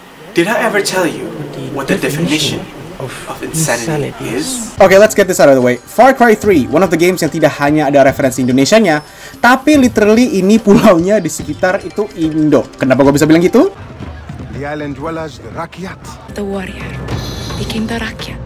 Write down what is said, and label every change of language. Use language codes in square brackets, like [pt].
[en] Did I ever tell you what the definition of insanity is? Okay, let's get this out of the way. [id] Far Cry 3, [en] one of the games [id] yang tidak hanya ada referensi Indonesianya, tapi literally ini pulaunya di sekitar itu Indo. Kenapa gua bisa bilang gitu? [en] The island dwellers, the rakyat. The warrior became the rakyat.